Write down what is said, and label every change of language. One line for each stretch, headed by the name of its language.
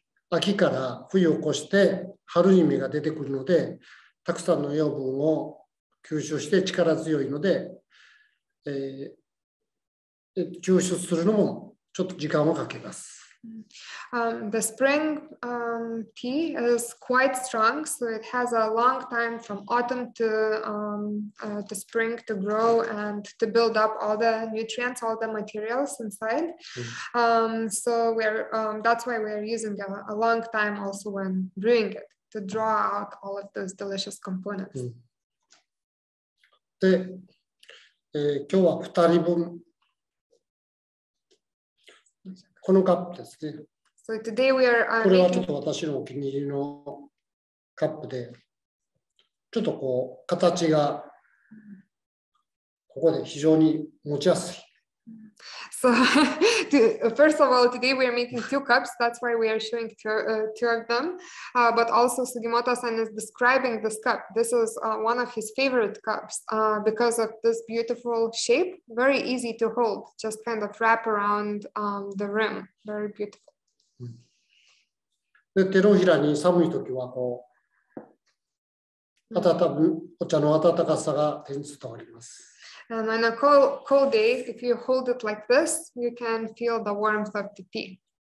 Japanese: 秋から冬を越して春に芽が出てくるので、たくさんの養分を吸収して力強いので、吸収するのもちょっと時間をかけます。
English: The spring tea is quite strong, so it has a long time from autumn to the spring to grow and to build up all the nutrients, all the materials inside. So we're that's why we're using a long time also when brewing it. To draw out all of those delicious components.
Japanese: で、今日は2人分このカップですね。
English: So today we are making...
Japanese: これはちょっと私のお気に入りのカップで、ちょっとこう形がここで非常に持ちやすい。
English: So, first of all, today we are making 2 cups. That's why we are showing two of them. But also, Sugimoto-san is describing this cup. This is one of his favorite cups because of this beautiful shape. Very easy to hold. Just kind of wrap around the rim. Very beautiful.
Japanese: で、手のひらに寒い時はこう、お茶の温かさが手に伝わります。
English: And on a cold day, if you hold it like this, you can feel the warmth of the tea.